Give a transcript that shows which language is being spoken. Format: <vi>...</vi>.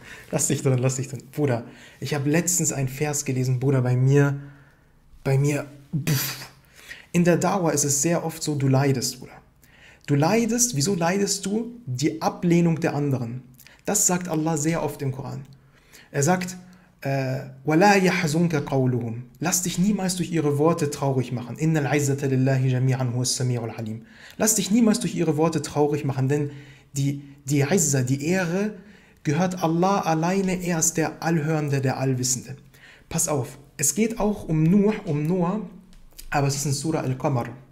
<de>Lass dich drin. Bruder, ich habe letztens einen Vers gelesen, Bruder, bei mir, in der Dawah ist es sehr oft so, du leidest, Bruder. Du leidest, wieso leidest du? Die Ablehnung der anderen. Das sagt Allah sehr oft im Koran. Er sagt,</de> <ar>وَلَا يَحْزُنْكَ قَوْلُهُمْ.</ar> <de>Lass dich niemals durch ihre Worte traurig machen.</de> <ar>إِنَّ الْعِزَّةَ لِلَّهِ جَمِيعًا هُوَ السَّمِيعُ الْعَلِيمُ.</ar> <de>Lass dich niemals durch ihre Worte traurig machen, denn die Izzah, die Ehre, gehört Allah alleine, er ist der Allhörende, der Allwissende. Pass auf. Es geht auch um Noah, aber es ist ein Surah Al-Qamar.</de>